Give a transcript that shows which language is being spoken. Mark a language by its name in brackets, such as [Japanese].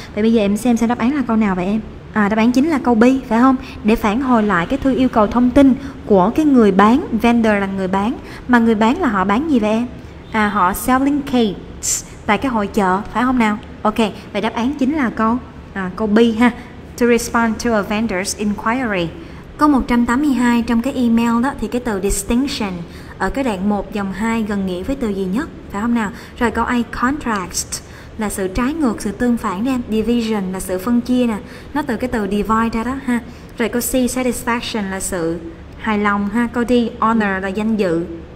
[Vietnamese] Vậy bây giờ em xem đáp án là câu nào vậy em? Đáp án chính là câu B, phải không? Để phản hồi lại cái thư yêu cầu thông tin của cái người bán, vendor là người bán. Mà người bán là họ bán gì vậy em? Họ selling cakes tại cái hội chợ, phải không nào? Ok, vậy đáp án chính là câu B ha. [English] To respond to a vendor's inquiry. [Vietnamese] Câu 182 trong cái email đó, thì cái từ distinction ở cái đoạn 1 dòng 2 gần nghĩa với từ gì nhất, phải không nào? Rồi câu A, contrast là sự trái ngược, sự tương phản đấy em. Division là sự phân chia nè, nó từ cái từ divide ra đó ha. Rồi câu C, satisfaction là sự hài lòng ha. Câu D, honor là danh dự.